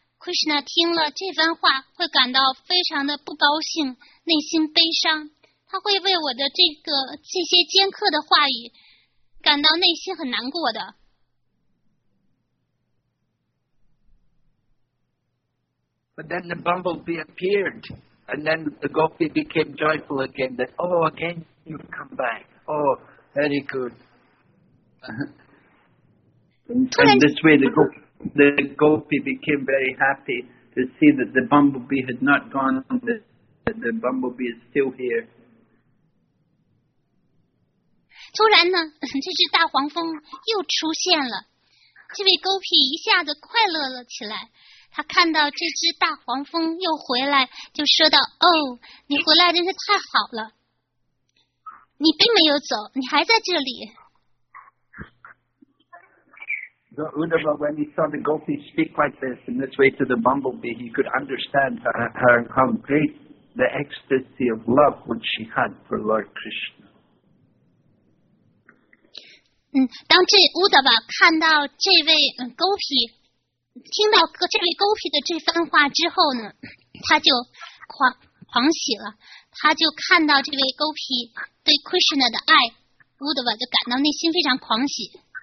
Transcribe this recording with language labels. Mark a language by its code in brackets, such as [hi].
[zh] Krishna 听了这番话会感到非常的不高兴，内心悲伤，他会为我的这些尖刻的话语感到内心很难过的。 [en] But then the bumblebee appeared, and then the gopi became joyful again, that, oh, again, you've come back. Oh, very good. And this way the gopi became very happy to see that the bumblebee had not gone, that the bumblebee is still here. [zh] 突然呢，这只大黄蜂又出现了，这位gopi一下子快乐了起来，他看到这只大黄蜂又回来，就说道，哦，你回来真是太好了，你并没有走，你还在这里。 [en] So Uddhava, when he saw the gopi speak like this, in this way to the bumblebee, he could understand how great the ecstasy of love which she had for Lord Krishna. [zh] 当这 Uddhava 看到这位gopi, 听到这位gopi的这番话之后呢，他就狂喜了，他就看到这位gopi对 Krishna 的爱， Uddhava 就感到内心非常狂喜。